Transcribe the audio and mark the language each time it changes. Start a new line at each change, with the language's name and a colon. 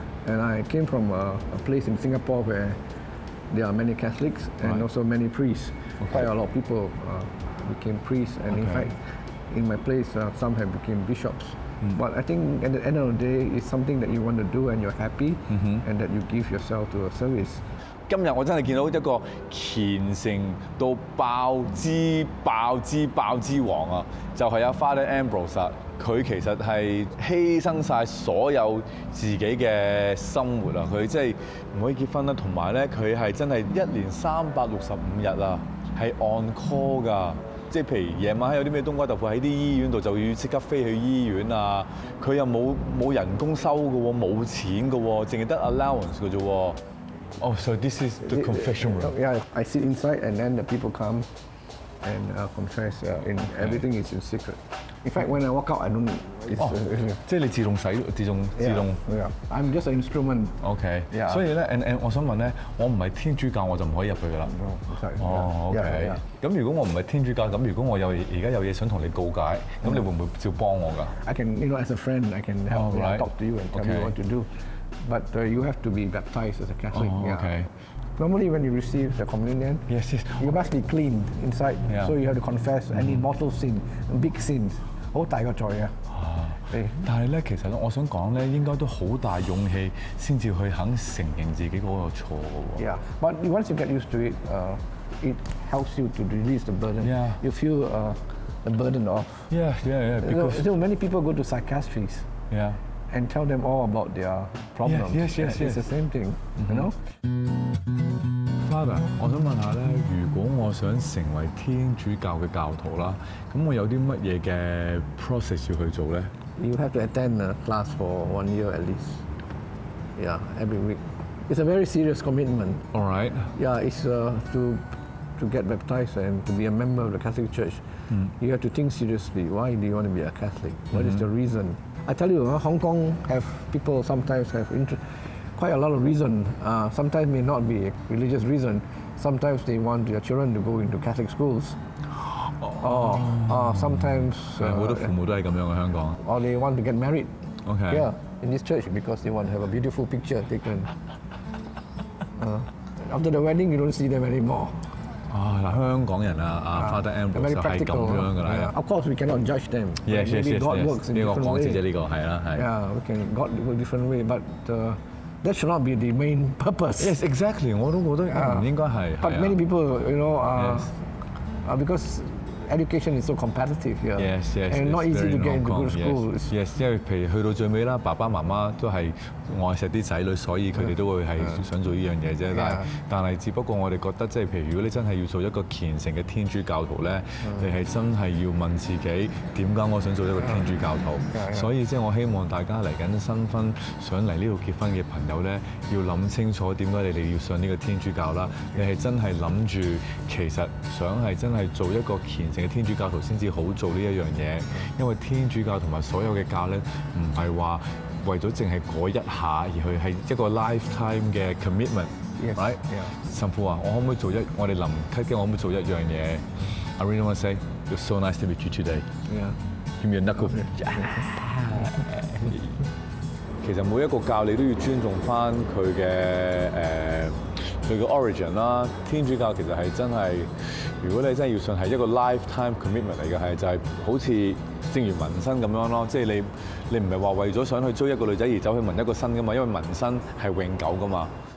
English: And I came from a place in Singapore where there are many Catholics and right. also many priests. Okay. Quite a lot of people became priests. And okay. in fact, in my place, some have become bishops. Mm. But I think at the end of the day, it's something that you want to do and you're happy mm-hmm. and that you give yourself to a service.
Cantonese: 今日我真係見到一個虔誠到爆之爆之爆之王啊！就係阿 Father Ambrose， 佢其實係犧牲曬所有自己嘅生活啊！佢即係唔可以結婚啦，同埋咧佢係真係一年365日啊，係 on call 噶。即係譬如夜晚有啲咩冬瓜豆腐喺啲醫院度，就要即刻飛去醫院啊！佢又冇人工收嘅喎，冇錢嘅喎，淨係得 allowance 嘅啫喎。
English: Oh, so this is the confession room? Yeah, I sit inside and then the people come and confess. And okay. Everything is in secret. In fact, when I walk out, I don't... It's, oh, so you self-洗? Yeah, I'm just an instrument. Okay. Yeah. So, and I want to ask, if I'm not a Christian, I can't go in. No, sorry. Oh, okay. Yeah. If I'm not a Christian, if I have something to say to you, then you will help me? I can, you know, as a friend, I can help right. you know, talk to you and tell okay. you what to do. But you have to be baptized as a Catholic. Oh, okay. Yeah. Normally, when you receive the communion, yes, yes. you must be clean inside. Yeah. So you have to confess any mortal sin, big sins. Oh, that's the joy. Ah. But actually, I want to say, you need a lot of courage to accept yourself's mistake. Yeah. But once you get used to it, it helps you to release the burden. Yeah. You feel the burden off. Yeah, yeah, yeah. Because so many people go to psychiatries. Yeah. And tell them all about their problems. Yes, yes, yes. It's the same thing, you know.
Cantonese: Father, 我想問下咧，如果我想成為天主教嘅教徒啦，咁我有啲乜嘢嘅 process 要去做咧
English: ？You have to attend a class for 1 year at least. Yeah, every week. It's a very serious commitment. All right. Yeah, it's to get baptized and to be a member of the Catholic Church. Mm. You have to think seriously. Why do you want to be a Catholic? What mm-hmm. is the reason? I tell you, Hong Kong have people sometimes have quite a lot of reason. Sometimes may not be a religious reason. Sometimes they want their children to go into Catholic schools. Sometimes.
Cantonese: 好多父母都係咁樣嘅香港。
English: Or they want to get married. Okay. Yeah, in this church because they want to have a beautiful picture taken. After the wedding, you don't see them anymore.
Cantonese: 香港人啊， Father Ambrose 就係咁樣噶啦。
English: Of course, we cannot judge them. Yes, yes, maybe God yes. works in different way.
Cantonese: 呢個講者呢個係啦，係。
English: Yeah, we can God work different way, but that should not be the main purpose. Yes, exactly.
Cantonese: 我都覺得唔應該係。
English: But many people, you know, because education is so competitive here. Yes, yes, and not easy to get into good school. Yes,
Cantonese: 因為譬如去到最尾啦，爸爸媽媽都係愛錫啲仔女，所以佢哋都會係想做依樣嘢啫。但係只不過我哋覺得，即係譬如如果你真係要做一個虔誠嘅天主教徒咧，你係真係要問自己點解我想做一個天主教徒。所以即係我希望大家嚟緊新婚想嚟呢度結婚嘅朋友咧，要諗清楚點解你哋要信呢個天主教啦。你係真係諗住其實想係真係做一個虔誠嘅天主教徒先至好做呢一樣嘢，因為天主教同埋所有嘅教咧，唔係話。為咗淨係嗰一下，而佢係一個 lifetime 嘅 commitment，
English: yes, right？ Yeah.
Cantonese: 神父啊，我可唔可以做一？我哋臨級嘅，我可唔可以做一樣嘢
English: ？I really want to say, it was so nice to meet you today. Yeah. Give me a knuckle. Yeah.
Cantonese: 其實每一個教你都要尊重翻佢嘅佢嘅 origin 啦。天主教其實係真係，如果你真係要信，係一個 lifetime commitment 嚟嘅，係就係好似正如紋身咁樣咯。即係你唔係話為咗想去追一個女仔而走去紋一個身噶嘛，因為紋身係永久噶嘛。